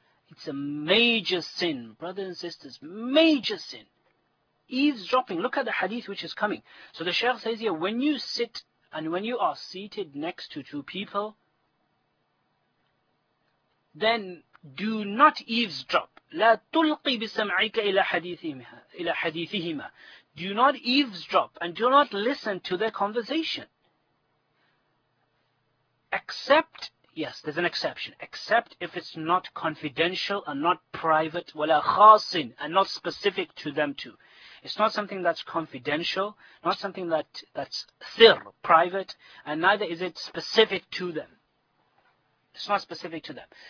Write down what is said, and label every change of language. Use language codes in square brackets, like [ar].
[en] It's a major sin, brothers and sisters, major sin. Eavesdropping, look at the hadith which is coming. So the Shaykh says here, when you sit and when you are seated next to two people, then do not eavesdrop. [ar] لا تلقي بسمعك إلى حديثهما. [en] Do not eavesdrop and do not listen to their conversation. Except, yes, there's an exception. Except if it's not confidential and not private, [ar] وَلَا خَاصٍ [en] and not specific to them too. It's not something that's confidential, not something that's sir, private, and neither is it specific to them. It's not specific to them.